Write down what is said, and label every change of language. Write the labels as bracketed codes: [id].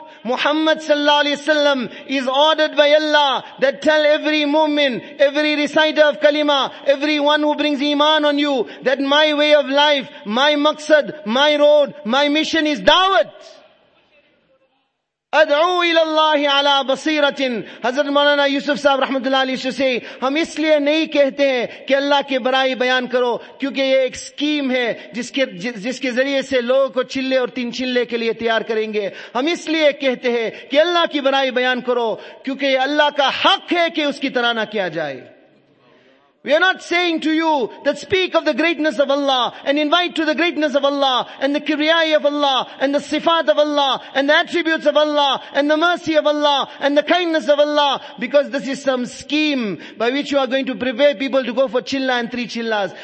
[en] Muhammad sallallahu alayhi wa sallam is ordered by Allah that tell every mu'min, every reciter of kalima, everyone who brings iman on you, that my way of life, my maqsad, my road, my mission is da'wah. [ar] أدعو إلى الله على بصيرة. [ur] حضرت مولانا يوسف صاحب رحمت اللہ علیہ وسلم سے ہم اس لئے نہیں کہتے ہیں کہ اللہ کے برائی بیان کرو کیونکہ یہ ایک سکیم ہے جس کے ذریعے سے لوگوں کو چلے اور تین چلے کے لئے تیار کریں گے. ہم اس لئے کہتے ہیں کہ اللہ کی برائی بیان کرو کیونکہ یہ اللہ کا حق ہے کہ اس کی طرح نہ کیا جائے. [en] We are not saying to you that speak of the greatness of Allah and invite to the greatness of Allah and the kibriyai of Allah and the sifat of Allah and the attributes of Allah and the mercy of Allah and the kindness of Allah, because this is some scheme by which you are going to prepare people to go for chilla and three chillas.